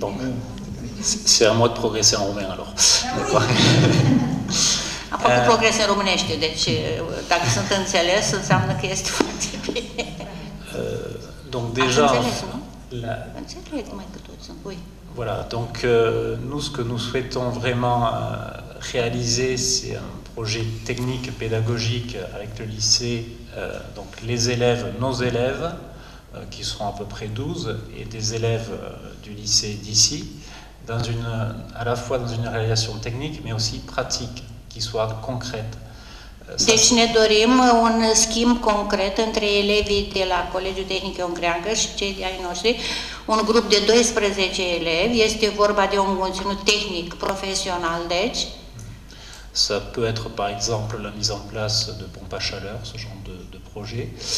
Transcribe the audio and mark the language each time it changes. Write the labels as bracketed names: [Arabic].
[French] Donc, c'est à moi de progresser en roumain, alors. [Romanian] A fost progres în românește, deci dacă sunt înțeles, înseamnă că este foarte bine. [French] Donc déjà [Romanian] înțeles, nu? Înțeles, mai că oui. [French] Voilà, donc nous, ce que nous souhaitons vraiment réaliser, c'est un projet technique, pédagogique avec le lycée, donc les élèves, nos élèves, qui seront à peu près 12, et des élèves du lycée d'ici, à la fois dans une réalisation technique, mais aussi pratique. Qui soit concrète. [Romanian] Deci ne dorim un schimb concret între elevii de la Colegiul Tehnic Ion Creangă și cei de ai noștri, un grup de 12 elevi, este vorba de un conținut tehnic, profesional, deci? [French] Ça peut être, par exemple, la mise en place de pompe à chaleur, ce genre de projet.